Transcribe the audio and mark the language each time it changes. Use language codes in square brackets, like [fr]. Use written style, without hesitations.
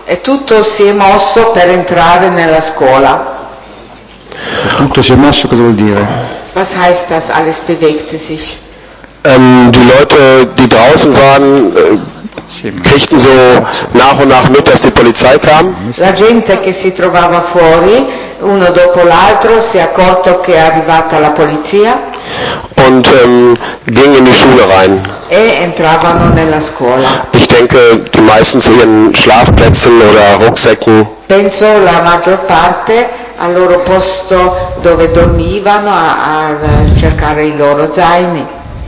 [it] E tutto si è mosso per entrare nella scuola. Tutto si è mosso, cosa vuol dire? [de] Was heißt das, alles bewegte sich? Die Leute, die draußen waren, kriegten so nach und nach mit, dass die Polizei kam. [it] La gente che si trovava fuori, uno dopo l'altro, si è accorto che è arrivata la polizia. [de] Und ging in die Schule rein. [it] E entravano nella scuola. [de] Ich denke, die meisten zu ihren Schlafplätzen oder Rucksäcken. [it] Penso la maggior parte al loro posto dove dormivano a cercare i loro zaini.